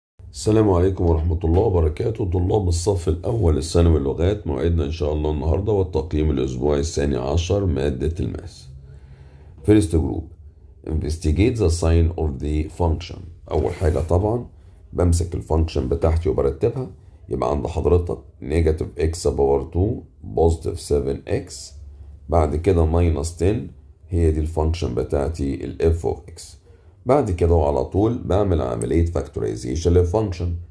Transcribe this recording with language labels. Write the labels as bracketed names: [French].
[Arabic] السلام عليكم ورحمة الله وبركاته. طلاب الصف الأول الثانوي لغات، موعدنا إن شاء الله النهاردة والتقييم الأسبوعي الثاني عشر مادة الماس. [English] First group investigate the sign of the function. [Arabic] أول حاجة طبعا بمسك الفانكشن بتاعتي وبرتبها. يبقى عند حضرتك [English] negative x power 2 positive 7x، [Arabic] بعد كده [English] minus 10، [Arabic] هي دي الفانكشن بتاعتي ال [English] f of x. [Arabic] بعد كده وعلى طول بعمل عملية factorization للفانكشن.